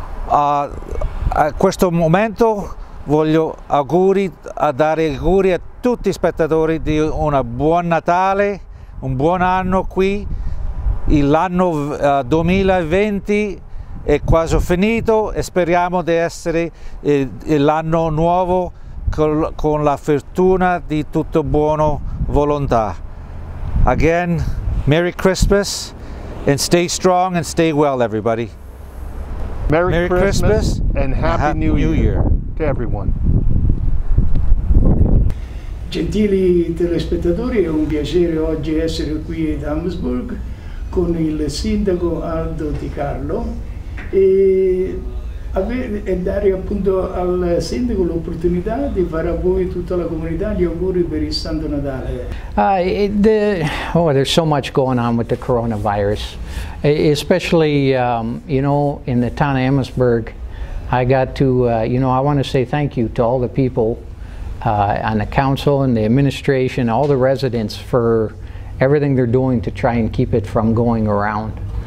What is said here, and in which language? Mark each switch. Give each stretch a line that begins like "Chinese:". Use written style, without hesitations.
Italian: A questo momento voglio dare auguri a tutti i spettatori di un buon Natale, un buon anno qui. L'anno 2020 è quasi finito e speriamo di essere l'anno nuovo con la fortuna di tutto buono volontà.
English: Again, Merry Christmas and stay strong and stay well, everybody. Merry Christmas and Happy New Year to everyone.
Italian: Gentili telespettatori, è un piacere oggi essere qui ad Amesburg con il sindaco Aldo Di Carlo e dare appunto al sindaco l'opportunità di fare a voi tutta la comunità gli auguri per il Santo Natale.
English: There's so much going on with the coronavirus, especially in the town of Amesburg. I got to I want to say thank you to all the people on the council and the administration, all the residents, for everything they're doing to try and keep it from going around.